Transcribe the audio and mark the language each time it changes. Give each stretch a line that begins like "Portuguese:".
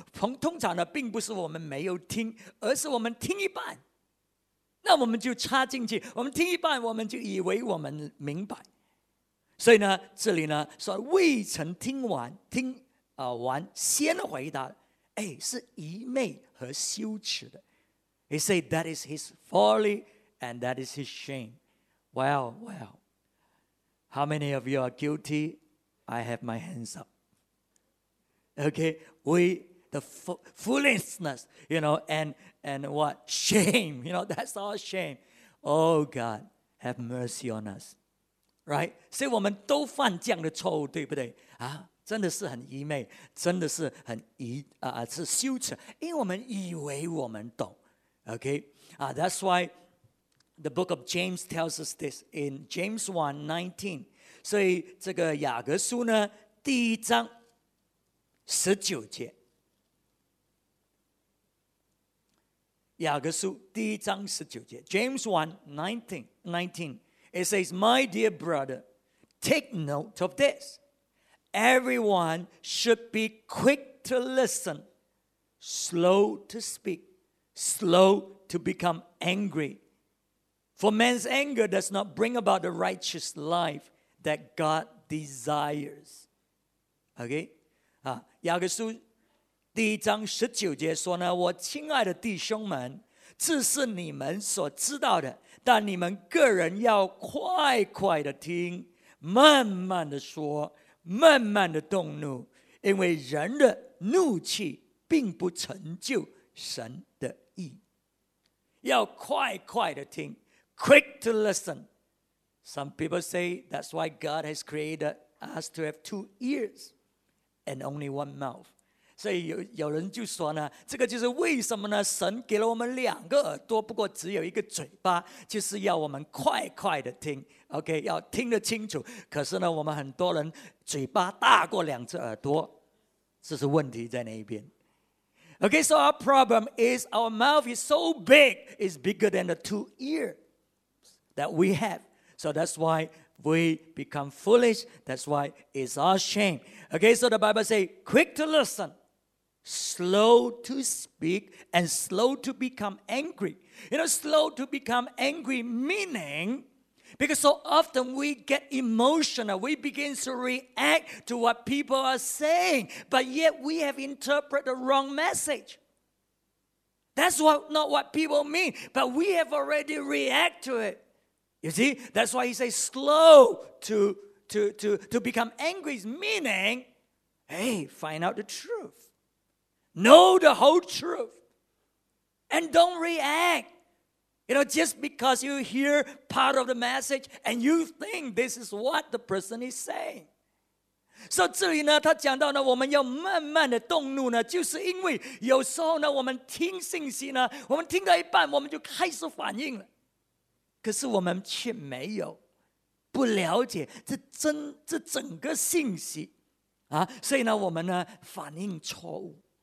Chinese: 通常呢，并不是我们没有听，而是我们听一半。那我们就插进去，我们听一半，我们就以为我们明白。所以呢，这里呢说未曾听完，听完先回答，哎，是愚昧和羞耻的。
English: He said that is his folly and that is his shame. Well, well, how many of you are guilty? I have my hands up. Okay, the foolishness, you know, and what? Shame, you know, that's our shame. Oh God, have mercy on us. right?
Chinese: 所以我们都犯这样的错误, 对不对?啊, 真的是很愚昧, 真的是很愚, 啊, 是羞耻, 因为我们以为我们懂, okay?
English: That's why the book of James tells us this in James 1:19.
Chinese: 所以这个雅各书呢, 第一章19节,
English: 雅各书第一章19节, James 1:19, it says, My dear brother, take note of this. Everyone should be quick to listen, slow to speak, slow to become angry. For man's anger does not bring about the righteous life that God desires. Okay?
Chinese: 雅各书第一章19节说呢, 我亲爱的弟兄们, 这是你们所知道的, 但你们个人要快快地听, 慢慢地说, 慢慢地动怒, 因为人的怒气并不成就神的意。要快快地听,
English: quick to listen. Some people say that's why God has created us to have two ears and only one mouth.
Chinese: 所以有人就说呢, 这个就是为什么呢, 神给了我们两个耳朵, 不过只有一个嘴巴, 就是要我们快快地听, okay, 要听得清楚, 可是呢, 我们很多人嘴巴大过两只耳朵, 这是问题在那一边。
English: Okay, so our problem is our mouth is so big, it's bigger than the two ears that we have. So that's why we become foolish, that's why it's our shame. Okay, so the Bible says, quick to listen, slow to speak, and slow to become angry. You know, slow to become angry meaning, because so often we get emotional, we begin to react to what people are saying, but yet we have interpreted the wrong message. That's what, not what people mean, but we have already reacted to it. You see, that's why he says slow to become angry, meaning, hey, find out the truth. Know the whole truth and don't react. You know, just because you hear part of the message and you think this is what the person is saying.
Chinese: So 这里呢, 他讲到呢, 我们要慢慢地动怒呢, 就是因为有时候呢, 我们听信息呢, 我们听到一半, 我们就开始反应了, 可是我们却没有, 不了解, 这真, 这整个信息, 啊, 所以呢, 我们呢, 反应错误。